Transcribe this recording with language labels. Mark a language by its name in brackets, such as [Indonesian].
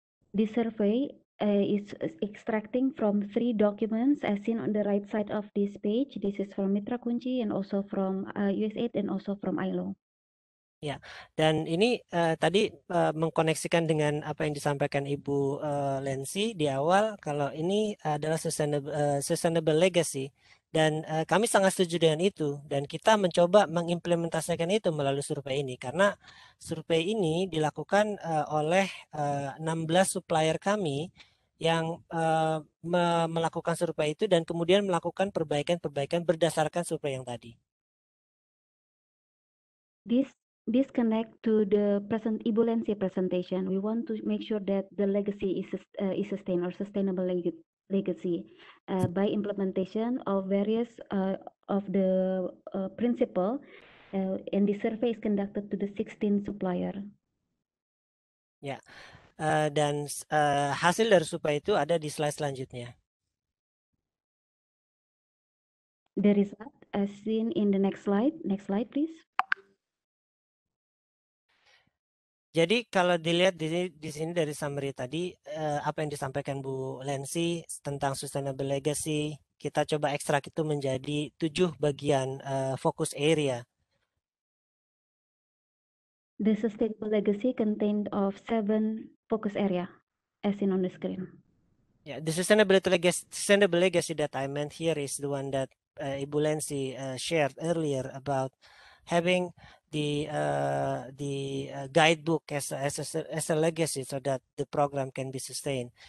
[English] The survey is extracting from 3 documents as seen on the right side of this page. This is from Mitra Kunci and also from USAID and also from ILO. [Indonesian] Ya, dan ini tadi mengkoneksikan dengan apa yang disampaikan Ibu Lensi di awal, kalau ini adalah sustainable legacy, dan kami sangat setuju dengan itu, dan kita mencoba mengimplementasikan itu melalui survei ini, karena survei ini dilakukan oleh 16 supplier kami yang melakukan survei itu dan kemudian melakukan perbaikan-perbaikan berdasarkan survei yang tadi. [English] This connect to the present Ibu Lensi presentation. We want to make sure that the legacy is sustained or sustainable legacy by implementation of various of the principle. And the survey is conducted to the 16 supplier. [Indonesian] Ya, dan hasil dari survei itu ada di slide selanjutnya. [English] The result as seen in the next slide. Next slide, please. [Indonesian] Jadi kalau dilihat di sini dari summary tadi, apa yang disampaikan Bu Lensi tentang sustainable legacy, kita coba ekstrak itu menjadi 7 bagian focus area. [English] The sustainable legacy contained of 7 focus area as seen on the screen. Yeah, the sustainable legacy that I meant here is the one that Ibu Lensi shared earlier about having the guidebook as a legacy so that the program can be sustained.